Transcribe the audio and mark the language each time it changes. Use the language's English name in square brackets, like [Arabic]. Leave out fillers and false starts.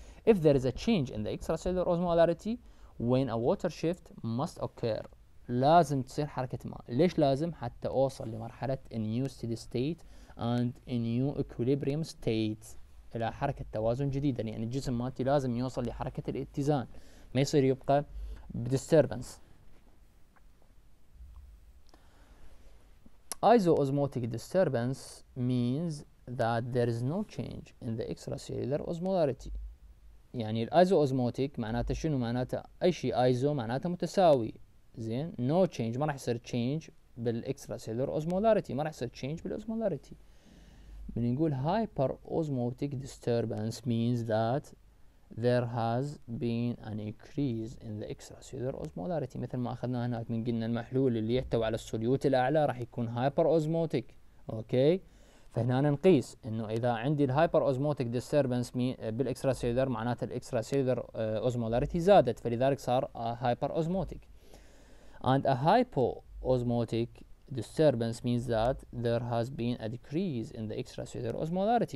[English] If there is a change in the extracellular osmolarity when a water shift must occur، [Arabic] لازم تصير حركة ماء. ليش لازم؟ حتى أوصل لمرحلة [English] a new steady state and a new equilibrium state، [Arabic] إلى حركة توازن جديدة، يعني الجسم مالتي لازم يوصل لحركة الاتزان، ما يصير يبقى disturbance. [English] Isoosmotic disturbance means that there is no change in the extracellular osmolarity. [Arabic] يعني الايزو اوزموتيك معناته شنو؟ معناته اي شيء ايزو معناته متساوي، زين [English] no change, [Arabic] ما راح يصير تشينج بالاكسترا سيلر اوزمولاريتي، ما راح يصير تشينج بالاوزمولاريتي. بنقول [English] hyper osmotic disturbance means that there has been an increase in the extracellular osmolarity, [Arabic] مثل ما اخذناه هناك من قلنا المحلول اللي يحتوي على السوليوت الاعلى راح يكون هايبر اوزموتيك، اوكي؟ فهنا نقيس انه اذا عندي الهايبر اوزموتيك ديستربنس بالاكسترا سيلر معناته الاكسترا سيلر اوزمولاريتي زادت، فلذلك صار هايبر اوزموتيك. [English] And a hypo osmotic disturbance means that there has been a decrease in the extracellular osmolarity.